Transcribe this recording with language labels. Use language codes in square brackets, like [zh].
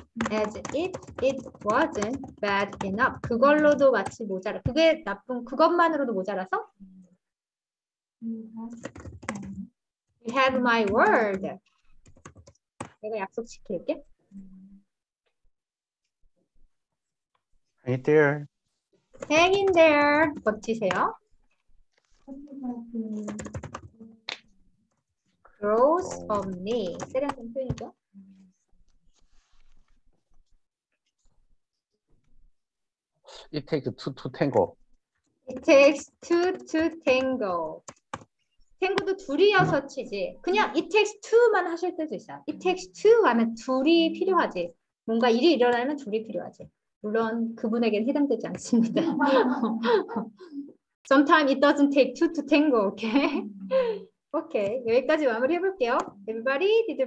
[en] As if it wasn't bad enough. [ko] 그걸로도 마치 모자라. 그게 나쁜, 그것만으로도 모자라서? [en] You have my word. [ko] 내가 약속 지킬게. [en] Hey there. Hang in there. [ko] 버티세요. [en] Grows on me. [ko] 세련된 표현이죠? [en] 'It takes two to tango.' It takes two to tango. [ko] 탱고도 둘이어서 치지. 그냥 [en] it takes two [ko] 만 하실 때도 있어요. [en] It takes two [ko] 하면 둘이 필요하지. 뭔가 일이 일어나면 둘이 필요하지. 물론 그분에겐 해당되지 않습니다. [en] Sometimes it doesn't take two to tango, okay? Okay, [ko] 여기까지 마무리해볼게요. [en] Everybody, did you